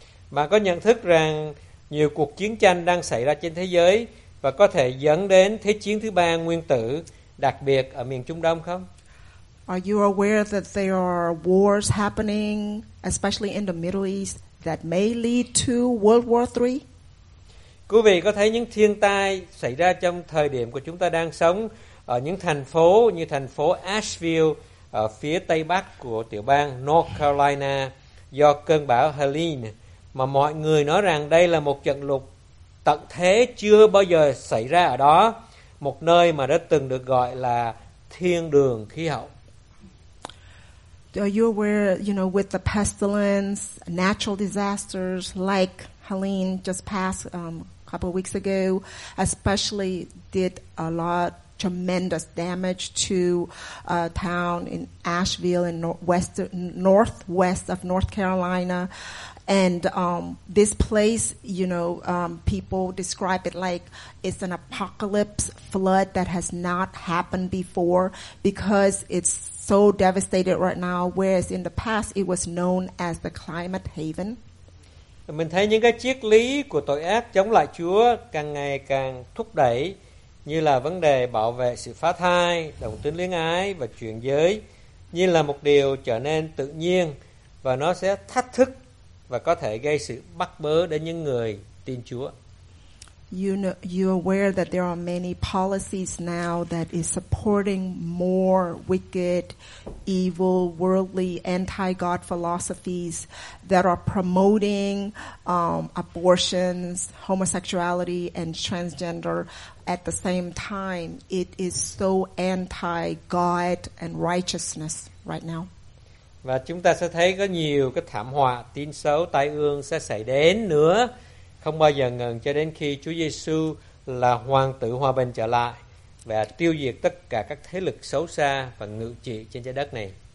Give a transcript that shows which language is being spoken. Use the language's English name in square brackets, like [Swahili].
[Vietnamese] Bạn có nhận thức rằng Nhiều cuộc chiến tranh đang xảy ra trên thế giới và có thể dẫn đến thế chiến thứ ba nguyên tử, đặc biệt ở miền Trung Đông không? [English] Are you aware that there are wars happening, especially in the Middle East, that may lead to World War III? [Vietnamese] Quý vị có thấy những thiên tai xảy ra trong thời điểm của chúng ta đang sống ở những thành phố như thành phố Asheville ở phía tây bắc của tiểu bang North Carolina do cơn bão Helene, mà mọi người nói rằng đây là một trận lụt tận thế chưa bao giờ xảy ra ở đó, một nơi mà đã từng được gọi là thiên đường khí hậu. [English] Are you aware, you know, with the pestilence, natural disasters like Helene just passed a couple of weeks ago, especially did a lot tremendous damage to a town in Asheville in northwest of North Carolina. And this place, you know, people describe it like it's an apocalypse flood that has not happened before because it's so devastated right now, whereas in the past it was known as the climate haven. [Vietnamese] Mình thấy những cái triết lý của tội ác chống lại Chúa càng ngày càng thúc đẩy, như là vấn đề bảo vệ sự phá thai, đồng tính luyến ái và chuyển giới, như là một điều trở nên tự nhiên và nó sẽ thách thức và có thể gây sự bắt bớ đến những người tin Chúa. [English] You know, you're aware that there are many policies now that is supporting more wicked, evil, worldly, anti-God philosophies that are promoting abortions, homosexuality, and transgender. At the same time, it is so anti-God and righteousness right now. [Vietnamese] Và chúng ta sẽ thấy có nhiều cái thảm họa, tin xấu, tai ương sẽ xảy đến nữa, không bao giờ ngừng cho đến khi Chúa Giêsu là hoàng tử hòa bình trở lại và tiêu diệt tất cả các thế lực xấu xa và ngự trị trên trái đất này.